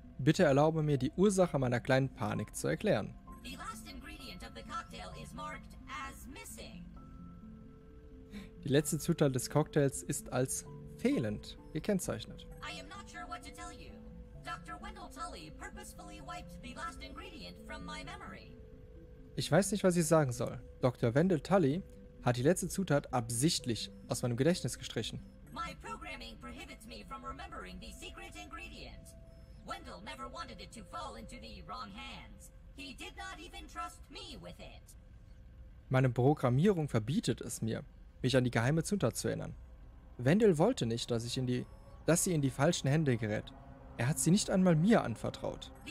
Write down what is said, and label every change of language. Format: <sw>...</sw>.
<de>Bitte erlaube mir, die Ursache meiner kleinen Panik zu erklären.</de> <en>The last ingredient of the cocktail is marked as missing.</en> <de>Die letzte Zutat des Cocktails ist als fehlend gekennzeichnet.</de> <en>I am not sure what to tell you. Dr. Wendell Tully purposefully wiped the last ingredient from my memory.</en> <de>Ich weiß nicht, was ich sagen soll. Dr. Wendell Tully hat die letzte Zutat absichtlich aus meinem Gedächtnis gestrichen.</de> <en>My programming prohibits me from remembering the secret ingredient. Wendell never wanted it to fall into the wrong hands. He did not even trust me with it.</en> <de>Meine Programmierung verbietet es mir, mich an die geheime Zutat zu erinnern. Wendell wollte nicht, dass sie in die falschen Hände gerät. Er hat sie nicht einmal mir anvertraut.</de>